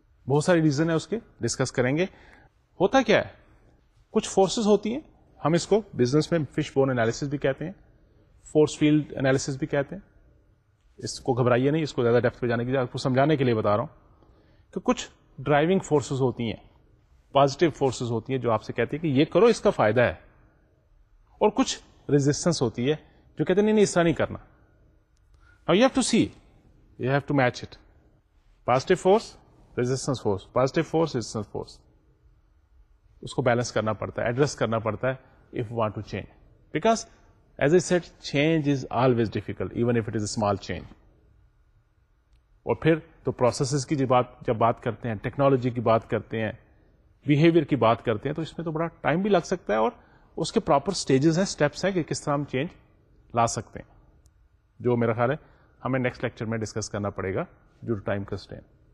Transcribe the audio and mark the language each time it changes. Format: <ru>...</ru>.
<ur>بہت سارے ریزن ہے اس کے, ڈسکس کریں گے. ہوتا کیا ہے, کچھ فورسز ہوتی ہیں, ہم اس کو بزنس میں فش بون انالیسز بھی کہتے ہیں, فورس فیلڈ انالیسز بھی کہتے ہیں. اس کو گھبرائیے نہیں, اس کو زیادہ ڈیپتھ پہ جانے کی, آپ کو سمجھانے کے لیے بتا رہا ہوں. کچھ ڈرائیونگ فورسز ہوتی ہیں, پازیٹیو فورسز ہوتی ہیں جو آپ سے کہتے ہیں کہ یہ کرو اس کا فائدہ ہے, اور کچھ ریزسٹنس ہوتی ہے جو کہتے ہیں نہیں نہیں اس طرح نہیں کرنا.</ur> <en>Now you have to see, you have to match it. Positive force, resistance force, positive force, resistance force.</en> <ur>اس کو بیلنس کرنا پڑتا ہے, ایڈریس کرنا پڑتا ہے</ur> <en>if you want to change. Because, as I said, change is always difficult, even if it is a small change.</en> <ur>اور پھر تو پروسیسز کی جب بات کرتے ہیں, ٹیکنالوجی کی بات کرتے ہیں, بیہیویئر کی بات کرتے ہیں, تو اس میں تو بڑا ٹائم بھی لگ سکتا ہے, اور اس کے پراپر اسٹیجز ہیں, اسٹیپس ہیں کہ کس طرح ہم چینج لا سکتے ہیں, جو میرا خیال ہے ہمیں نیکسٹ لیکچر میں ڈسکس کرنا پڑے گا</ur> <en>Due to time constraint.</en>